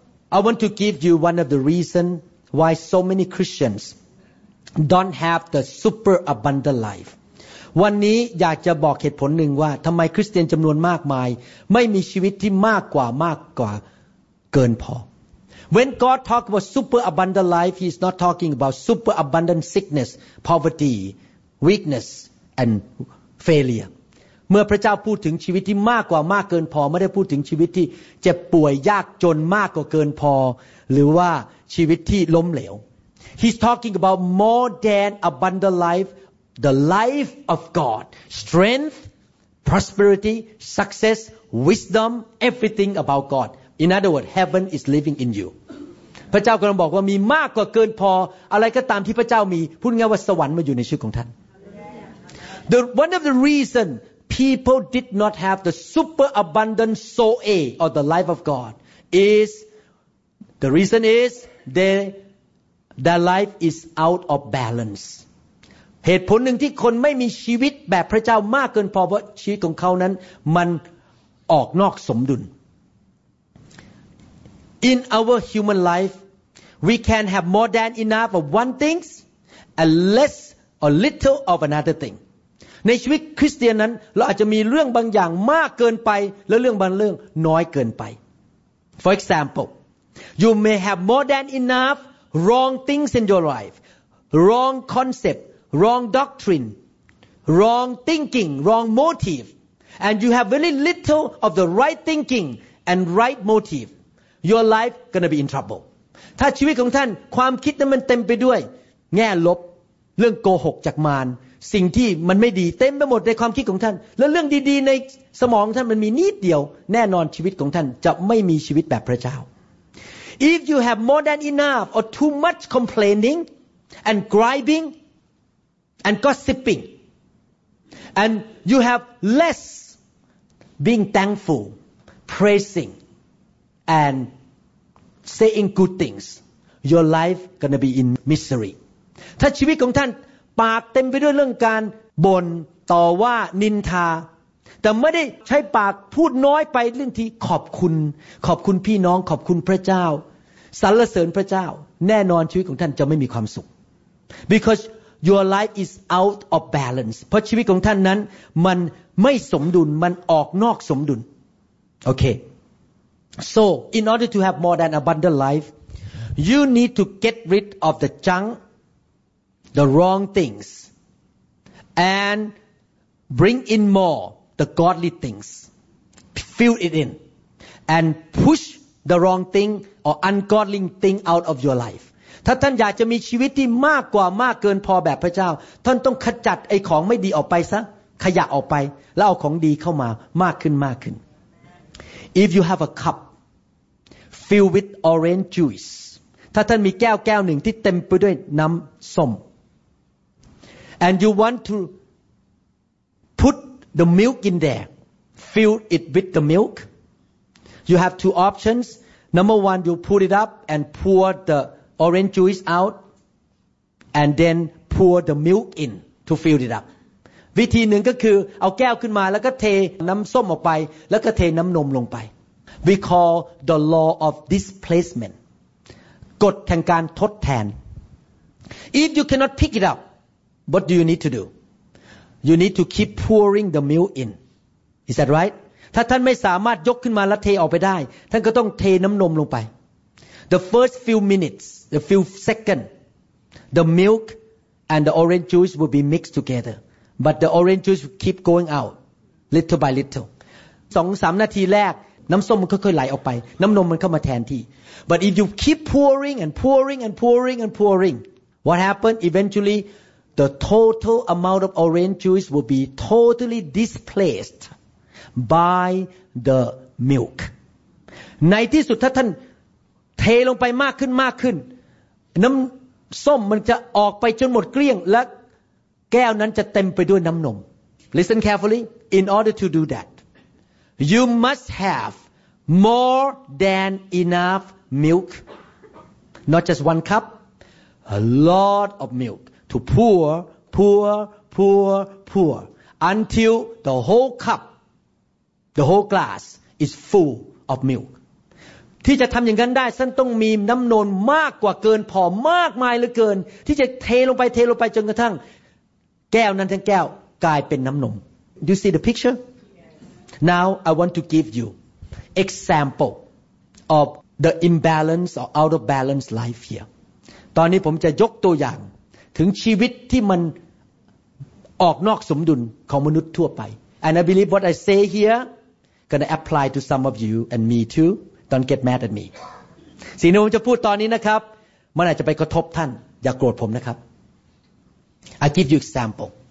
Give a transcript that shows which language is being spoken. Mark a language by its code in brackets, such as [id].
[en] I want to give you one of the reasons why so many Christians don't have the super abundant life. [th] วันนี้อยากจะบอกเหตุผลหนึ่งว่าทำไมคริสเตียนจำนวนมากมายไม่มีชีวิตที่มากกว่าเกินพอ [en] When God talk about super abundant life, He's not talking about super abundant sickness, poverty, weakness, and failure. [th] เมื่อพระเจ้าพูดถึงชีวิตที่มากกว่ามากเกินพอไม่ได้พูดถึงชีวิตที่เจ็บป่วยยากจนมากกว่าเกินพอหรือว่าชีวิตที่ล้มเหลว [en] He's talking about more than abundant life, the life of God, strength, prosperity, success, wisdom, everything about God. In other words, heaven is living in you. [th] พระเจ้ากำลังบอกว่ามีมากกว่าเกินพออะไรก็ตามที่พระเจ้ามีพูดง่ายว่าสวรรค์มาอยู่ในชีวิตของท่าน [en] The one of the reasonPeople did not have the super abundant soe or the life of God. Is the reason is their life is out of balance. [th] เหตุผลหนึ่งที่คนไม่มีชีวิตแบบพระเจ้ามากเกินพอเพราะชีวิตของเขานั้นมันออกนอกสมดุล [en] In our human life, we can have more than enough of one thing and less or little of another thing. [th] ในชีวิตคริสเตียนนั้นเราอาจจะมีเรื่องบางอย่างมากเกินไปและเรื่องบางเรื่องน้อยเกินไป [en] For example, you may have more than enough wrong things in your life, wrong concept, wrong doctrine, wrong thinking, wrong motive, and you have very little of the right thinking and right motive. Your life gonna be in trouble. [th] ถ้าชีวิตของท่านความคิดนั้นมันเต็มไปด้วยแง่ลบเรื่องโกหกจากมารสิ่งที่มันไม่ดีเต็มไปหมดในความคิดของท่านแล้วเรื่องดีๆในสมองท่านมันมีนิดเดียวแน่นอนชีวิตของท่านจะไม่มีชีวิตแบบพระเจ้า [en] If you have more than enough or too much complaining and griping and gossiping and you have less being thankful praising and saying good things your life gonna be in misery [th] ถ้าชีวิตของท่านปากเต็มไปด้วยเรื่องการบ่นต่อว่านินทาแต่ไม่ได้ใช้ปากพูดน้อยไปเรื่องที่ขอบคุณพี่น้องขอบคุณพระเจ้าสรรเสริญพระเจ้าแน่นอนชีวิตของท่านจะไม่มีความสุข [en] because your life is out of balance [th] เพราะชีวิตของท่านนั้นมันไม่สมดุลมันออกนอกสมดุล [en] โอเค so in order to have more than abundant life you need to get rid of the junkThe wrong things, and bring in more the godly things, fill it in, and push the wrong thing or ungodly thing out of your life. [th] ถ้าท่านอยากจะมีชีวิตที่มากกว่ามากเกินพอแบบพระเจ้าท่านต้องขจัดไอ้ของไม่ดีออกไปซะขยะออกไปแล้วเอาของดีเข้ามามากขึ้นมากขึ้น [en] If you have a cup filled with orange juice [th] ถ้าท่านมีแก้วแก้วหนึ่งที่เต็มไปด้วยน้ำส้ม [en] And you want to put the milk in there fill it with the milk you have two options number one you put it up and pour theOrange juice out, and then pour the milk in to fill it up. [th] วิธีหนึ่งก็คือเอาแก้วขึ้นมาแล้วก็เทน้ำส้มออกไปแล้วก็เทน้ำนมลงไป [en] We call the law of displacement. [th] กฎแห่งการทดแทน [en] If you cannot pick it up, what do you need to do? You need to keep pouring the milk in. Is that right? [th] ถ้าท่านไม่สามารถยกขึ้นมาแล้วเทออกไปได้ท่านก็ต้องเทน้ำนมลงไป [en] The first few minutes, the few seconds, the milk and the orange juice will be mixed together. But the orange juice will keep going out, little by little. [th] 2-3 นาทีแรกน้ำส้มมันค่อยๆไหลออกไปน้ำนมมันเข้ามาแทนที่ [en] But if you keep pouring and pouring and pouring and pouring, what happens? Eventually, the total amount of orange juice will be totally displaced by the milk. [th] ในที่สุดถ้าท่านเทลงไปมากขึ้นมากขึ้นน้ำส้มมันจะออกไปจนหมดเกลี้ยงและแก้วนั้นจะเต็มไปด้วยน้ำนม [en] Listen carefully In order to do that You must have more than enough milk Not just one cup A lot of milk To pour Until the whole cup The whole glass is full of milk [th] ที่จะทำอย่างนั้นได้ท่านต้องมีน้ำนมมากกว่าเกินพอมากมายเหลือเกินที่จะเทลงไปจนกระทั่งแก้วนั้นทั้งแก้วกลายเป็นน้ำนม [en] Do you see the picture? Yes. Now I want to give you example of the imbalance or out of balance life here. [th] ตอนนี้ผมจะยกตัวอย่างถึงชีวิตที่มันออกนอกสมดุลของมนุษย์ทั่วไป [en] And I believe what I say here gonna apply to some of you and me too. Don't get mad at me. [th] สิ่งที่ผมจะพูดตอนนี้นะครับมันอาจจะไปกระทบท่านอย่าโกรธผมนะครับ [en] I give you example.